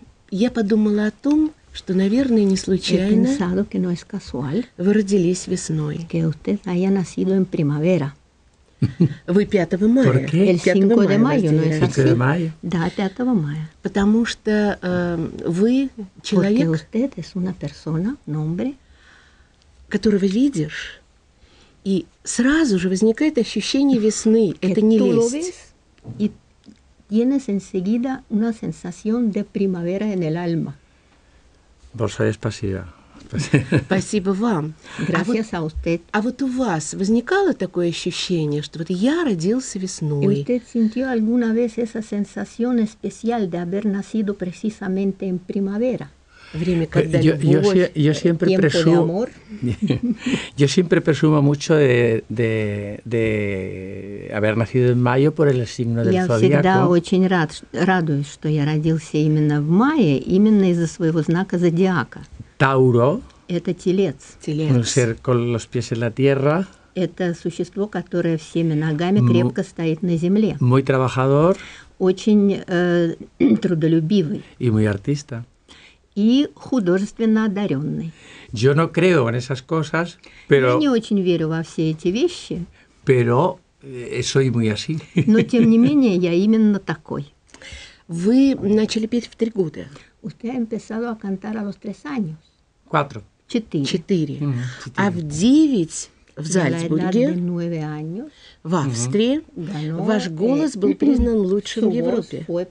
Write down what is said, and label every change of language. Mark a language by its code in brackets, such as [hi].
[ru] Я подумала о том, что, наверное, не случайно [es] pensado, que no es casual, [ru] вы родились весной. [es] Que usted haya nacido en primavera. [ru] Вы 5 мая. [es] ¿Por qué? El 5 de mayo, ¿no es así? 5 de mayo. [ru] Да, 5 мая. Потому что вы человек, [es] porque usted es una persona, nombre, [ru] которого видишь, и сразу же возникает ощущение весны. Это не лесть. [es] Y tienes enseguida una sensación de primavera en el alma. [ru] Большое спасибо. Спасибо вам. [es] Gracias a usted. [ru] А вот у вас возникало такое ощущение, что вот я родился весной? [es] ¿Usted sintió alguna vez esa sensación especial de haber nacido precisamente en primavera? [ru] Время, когда любовь, [es] yo siempre presumo, amor. Yo siempre presumo mucho de haber nacido en mayo por el signo del zodiaco. [ru] Я всегда очень радуюсь, что я родился именно в мае, именно из-за своего знака зодиака. [es] Тауро. [ru] Это телец. Телец. [es] Un ser con los pies en la tierra. [ru] Это существо, которое всеми ногами крепко стоит на земле. [es] Muy trabajador. [ru] Очень трудолюбивый. [es] Y muy artista. [ru] И художественно одаренный. [es] Yo no creo en esas cosas, pero... [ru] Я не очень верю во все эти вещи. [es] Pero soy muy así. [ru] Но, тем не менее, я именно такой. Вы начали петь в 3 года. [es] Usted ha empezado a cantar a los 3 años. 4. 4. [ru] 4. А в 9... В Зальцбурге, в Австрии, ваш голос был признан лучшим в Европе.